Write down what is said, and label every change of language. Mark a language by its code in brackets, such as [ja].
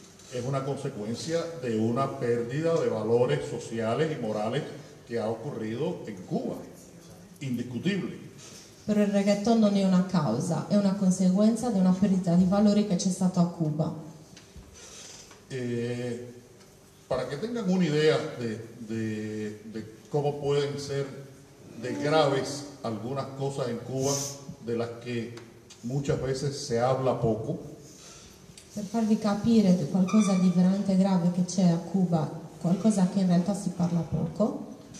[it] È una conseguenza di una perdita di valori sociali e morali che ha occorrido in Cuba. Indiscutibile. Però il reggaeton non è una causa, è una conseguenza di una perdita di valori che c'è stato a Cuba. [es] Para que tengan una idea de cómo pueden ser de graves algunas cosas en Cuba de las que muchas veces se habla poco. [it] Per farvi capire di qualcosa di veramente grave che c'è a Cuba, qualcosa che in realtà si parla poco.